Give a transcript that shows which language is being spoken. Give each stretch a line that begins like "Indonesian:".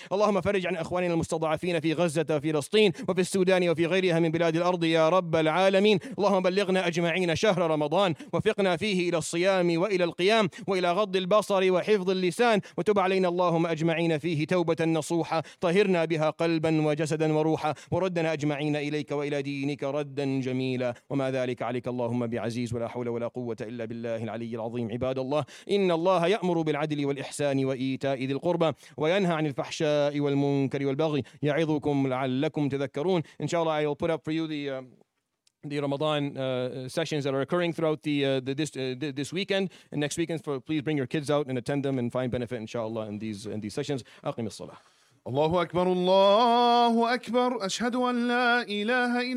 Arabic: اللهم فرج عن أخواننا المستضعفين في غزة وفي فلسطين وفي السودان وفي غيرها من بلاد الأرض يا رب العالمين اللهم بلغنا أجمعين شهر رمضان وفقنا فيه إلى الصيام وإلى القيام وإلى غض البصر وحفظ اللسان وتب علينا اللهم أجمعين فيه توبة نصوحة طهرنا بها قلبا وجسدا وروحا وردنا أجمعين إليك وإلى دينك ردا جميلا وما ذلك عليك اللهم بعزيز ولا حول ولا قوة إلا بالله العلي العظيم عباد الله إن الله يأمر بالعدل والإحسان وإيتاء ذي القربى وينهى عن الفحشاء والمنكر والبغي يعظكم لعلكم تذكرون إن شاء الله
English: I will put up for you the Ramadan sessions that are occurring throughout this weekend and next weekend. For please bring your kids out and attend them and find benefit inshallah in these sessions.
Arabic: أقم الصلاة الله أكبر الله أكبر أشهد أن لا إله إلا